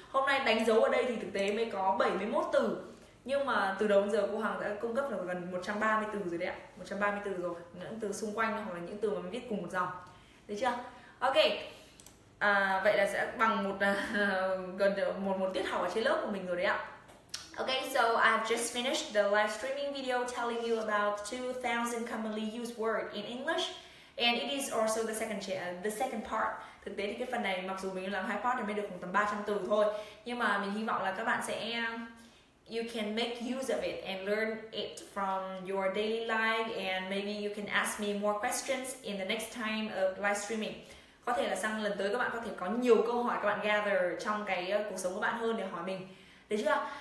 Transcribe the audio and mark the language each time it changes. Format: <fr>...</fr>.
<vi>Hôm nay đánh dấu ở đây thì thực tế mới có 71 từ. Nhưng mà từ đầu đến giờ cô Hằng đã cung cấp được gần 130 từ rồi đấy ạ. 130 từ rồi, những từ xung quanh hoặc là những từ mà mình viết cùng một dòng. Đấy chưa? Ok. Vậy là sẽ bằng một gần một tiết học ở trên lớp của mình rồi đấy ạ.</vi> <en>Okay, so I've just finished the live streaming video telling you about 2,000 commonly used words in English, and it is also the second part.</en> <vi>Thực tế thì cái phần này mặc dù mình làm hai part thì mới được khoảng tầm 300 từ thôi, nhưng mà mình hy vọng là các bạn sẽ</vi> <en>you can make use of it and learn it from your daily life, and maybe you can ask me more questions in the next time of live streaming.</en> <vi>Có thể là sang lần tới các bạn có thể có nhiều câu hỏi các bạn gather trong cái cuộc sống của bạn hơn để hỏi mình. Được chưa?</vi>